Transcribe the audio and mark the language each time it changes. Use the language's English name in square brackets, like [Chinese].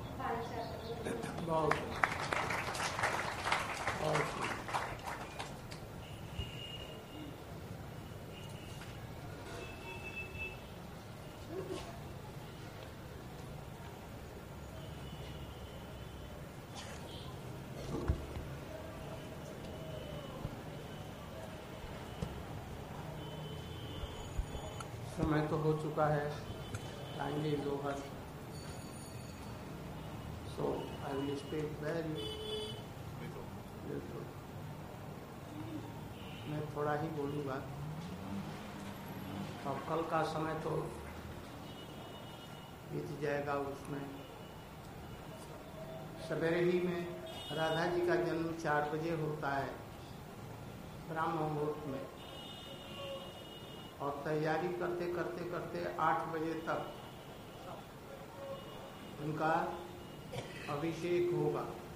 [Hindi] बहुत बहुत समय तो हो चुका है, आएंगे दोपहर। [English] So I will speak very little. [Hindi] मैं थोड़ा ही बोलूँगा। अब कल का समय तो बीत जाएगा, उसमें सवेरे ही में राधा जी का जन्म 4 बजे होता है ब्रह्म मुहूर्त में, और तैयारी करते करते करते 8 बजे तक उनका अभिषेक होगा।